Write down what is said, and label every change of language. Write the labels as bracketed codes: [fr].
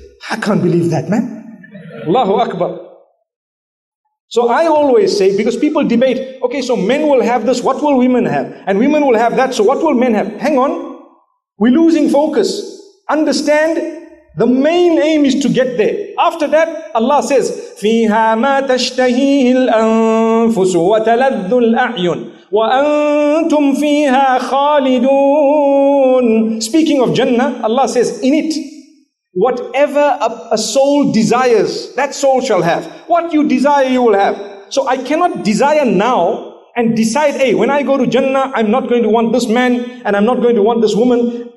[en] I can't believe that, man. Allahu Akbar. So I always say, because people debate, okay, so men will have this, what will women have? And women will have that, so what will men have? Hang on, we're losing focus. Understand, the main aim is to get there. After that, Allah says, [ar] فِيهَا مَا تَشْتَهِيهِ الْأَنفُسُ وَتَلَذُّ الْأَعْيُنُ وَأَنْتُمْ فِيهَا خَالِدُونَ. [en] Speaking of Jannah, Allah says, in it, whatever a soul desires, that soul shall have. What you desire, you will have. So I cannot desire now and decide, hey, when I go to Jannah, I'm not going to want this man and I'm not going to want this woman.